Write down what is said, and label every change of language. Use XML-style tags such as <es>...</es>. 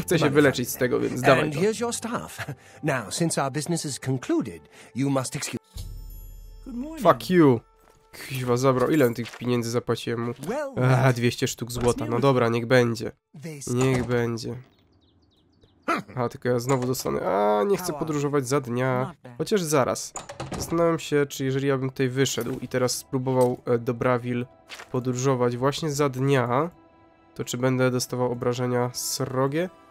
<pl>Chcę się wyleczyć z tego, więc and dawaj to.</pl> <en>And here's your staff. Now, since our business is concluded, you must excuse... Good morning. Fuck you.</en> <pl>Kwiwa zabrał. Ile tych pieniędzy zapłaciłem mu? 200 sztuk złota. No dobra, niech będzie. Niech będzie. A, tylko ja znowu dostanę. A, nie chcę podróżować za dnia. Chociaż zaraz. Zastanawiam się, czy jeżeli ja bym tutaj wyszedł i teraz spróbował do Brawil podróżować właśnie za dnia, to czy będę dostawał obrażenia srogie?</pl>